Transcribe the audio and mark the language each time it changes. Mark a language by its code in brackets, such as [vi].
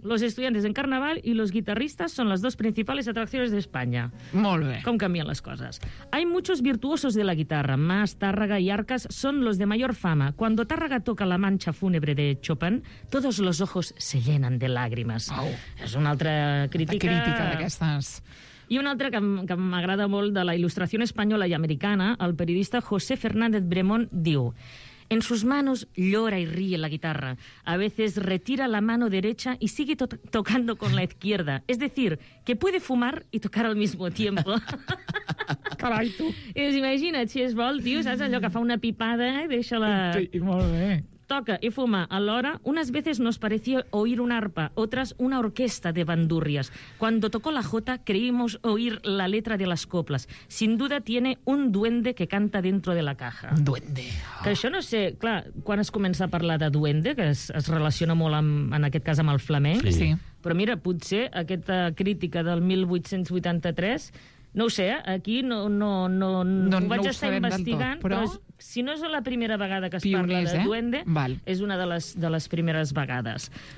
[es] Los estudiantes en carnaval y los guitarristas son las dos principales atracciones de España. [ca] Molt bé. Com canvien les coses. [es] Hay muchos virtuosos de la guitarra. Mas, Tàrrega y Arcas son los de mayor fama. Cuando Tàrrega toca la mancha fúnebre de Chopin, todos los ojos se llenan de lágrimas. Oh. [ca] És una altra crítica. Una crítica d'aquestes... I una altra que m'agrada molt de la il·lustració espanyola i americana, el periodista José Fernández Bremón diu: [es] En sus manos llora y ríe la guitarra. A veces retira la mano derecha y sigue tocando con la izquierda. Es decir, que puede fumar y tocar al mismo tiempo. [ca] Carai, tu! Imagina't si es vol, tio, saps allò que fa una pipada i deixa la... Sí, molt bé. [es] Toca y fuma. Alhora, unas veces nos parecía oír un arpa, otras una orquesta de bandurrias. Cuando tocó la jota, creímos oír la letra de las coplas. Sin duda tiene un duende que canta dentro de la caja. [ca] Un duende. Oh. Que això no sé... Clar, quan es comença a parlar de duende, que es relaciona molt, en aquest cas, amb el flamenc... Sí. Però mira, potser aquesta crítica del 1883... No ho sé, aquí no ho vaig no estar ho investigant, tot, però si no és la primera vegada que es parla de duende, és una de les primeres vegades.